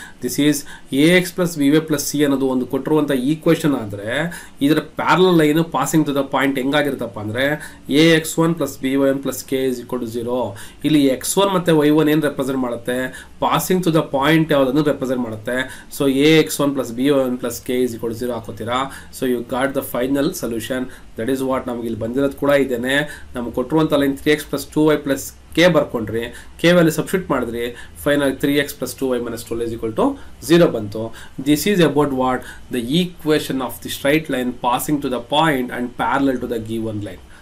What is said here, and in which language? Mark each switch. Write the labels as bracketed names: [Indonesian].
[Kannada] This is ax + by + c ಅನ್ನೋದು ಒಂದು ಕೊಟ್ಟಿರುವಂತ equation ಆದ್ರೆ, ಇದರ parallel line passing to the point ಹೆಂಗಾಗಿರುತ್ತಪ್ಪ ಅಂದ್ರೆ, ax1 + by1 + k = 0. ಇಲ್ಲಿ x1 ಮತ್ತೆ y1 ಏನ್ ರೆಪ್ರೆಸೆಂಟ್ ಮಾಡುತ್ತೆ? Passing to the point ಯಾವ್ದನ್ನು represent ಮಾಡುತ್ತೆ. So ax1 + by1 + k = 0 ಹಾಕೋತೀರಾ. [English] So you got the final solution. That is what [Kannada] ನಮ್ಗೆ ಇಲ್ಲಿ ಬಂದಿರೋದು ಕೂಡ ಇದೇನೆ. ನಮ್ಗೆ ಕೊಟ್ಟಿರುವಂತ line 3x + 2y + k ಬರ್ಕೊಂಡ್ರಿ, K value substitute ಮಾಡಿದ್ರಿ, ಫೈನಲ್ 3x + 2y - 12 = 0 ಬಂತು. [English] This is about what the equation of the straight line passing to the point and parallel to the given line.